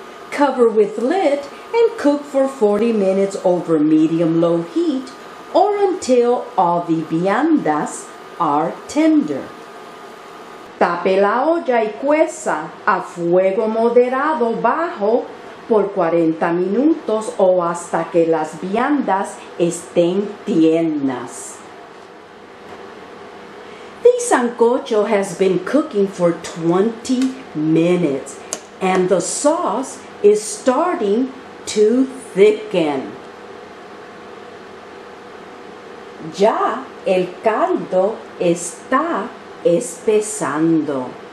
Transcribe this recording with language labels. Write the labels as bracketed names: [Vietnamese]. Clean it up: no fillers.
[English] Cover with lid and cook for 40 minutes over medium-low heat, or until all the viandas are tender. [Spanish] Tape la olla y cueza a fuego moderado bajo por 40 minutos o hasta que las viandas estén tiernas. [English] The sancocho has been cooking for 20 minutes and the sauce is starting to thicken. [Spanish] Ya el caldo está espesando.